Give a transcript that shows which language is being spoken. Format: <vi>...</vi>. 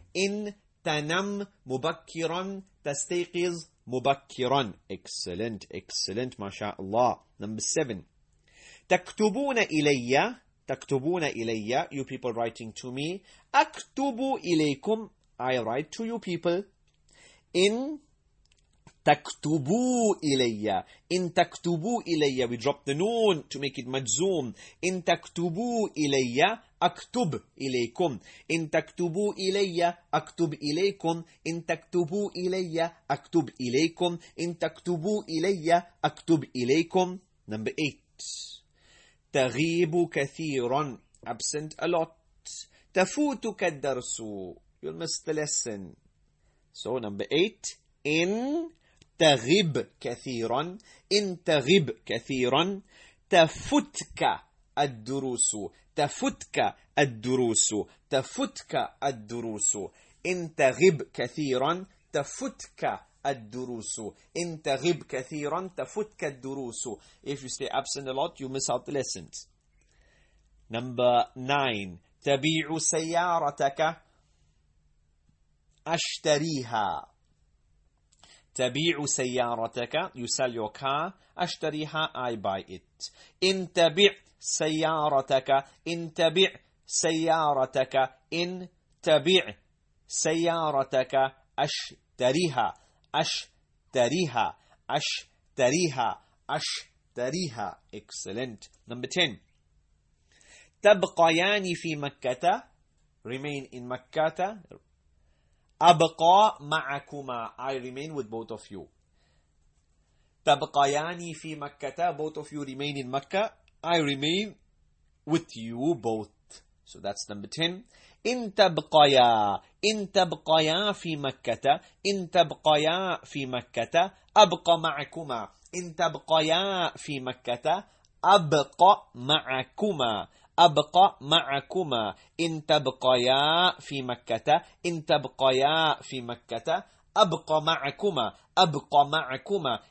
<ar>إن تنم مبكرا تستيقظ مبكرا.</ar> <en>Excellent, excellent,</en> <ar>ما شاء الله.</ar> <en>Number seven.</en> <ar>تكتبون إلي. تكتبون إلي.</ar> <en>You people writing to me.</en> <ar>أكتب إليكم.</ar> <en>I write to you people. إن</en> <ar>تكتبوا إلي. إن تكتبوا إلي,</ar> <en>we drop the noon to make it مجزوم.</en> <ar>إن تكتبوا إلي أكتب إليكم. إن تكتبوا إلي أكتب إليكم. إن تكتبوا إلي أكتب إليكم. إن تكتبوا إلي أكتب إليكم.</ar> <en>Number 8,</en> <ar>تغيب كثيرا,</ar> <en>absent a lot.</en> <ar>تفوتك الدرس,</ar> <en>you'll miss the lesson.</en> <ar>So number 8, إن تغيب كثيرا, إن تغيب كثيرا, تفوتك الدروس, تفوتك الدروس, تفوتك الدروس, إن تغيب كثيرا, تفوتك الدروس, إن تغيب كثيرا, تفوتك الدروس.</ar> <en>If you stay absent a lot, you miss out the lessons. Number 9,</en> <ar>تبيع سيارتك, أشتريها. تبيع سيارتك,</ar> <en>you sell your car, أشتريها, I buy it.</en> <ar>إن تبيع سيارتك, إن تبيع سيارتك, إن تبيع سيارتك, أشتريها, أشتريها, أشتريها, أشتريها.</ar> <en>Excellent. Number 10,</en> <ar>تبقيان في مكة,</ar> <en>remain in مكة,</en> <ar>أبقى معكما,</ar> <en>I remain with both of you.</en> <ar>تبقياني في مكة,</ar> <en>both of you remain in مكة, I remain with you both. So that's number 10.</en> <ar>إن تبقيا, إن تبقيا في مكة, إن تبقيا في مكة, أبقى معكما. إن تبقيا في مكة, أبقى معكما, أبقى معكما. إن تبقيا في مكة, إن تبقيا في مكة, أبقى معكما, أبقى معكما.</ar>